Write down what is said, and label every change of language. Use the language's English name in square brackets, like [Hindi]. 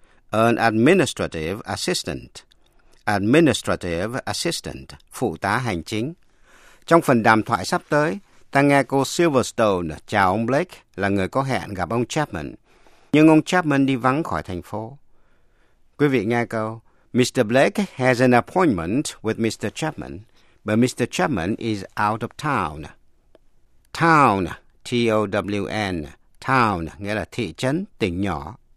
[English] An administrative assistant. Administrative assistant, [Vietnamese] phụ tá hành chính. Trong phần đàm thoại sắp tới, ta nghe cô Silverstone chào ông Blake là người có hẹn gặp ông Chapman. Nhưng ông Chapman đi vắng khỏi thành phố. Quý vị nghe câu, Mr. [English] Blake has an appointment with Mr. Chapman. But Mr. Chapman is out of town. [Vietnamese] Town, T-O-W-N, town, nghĩa là thị trấn, tỉnh nhỏ.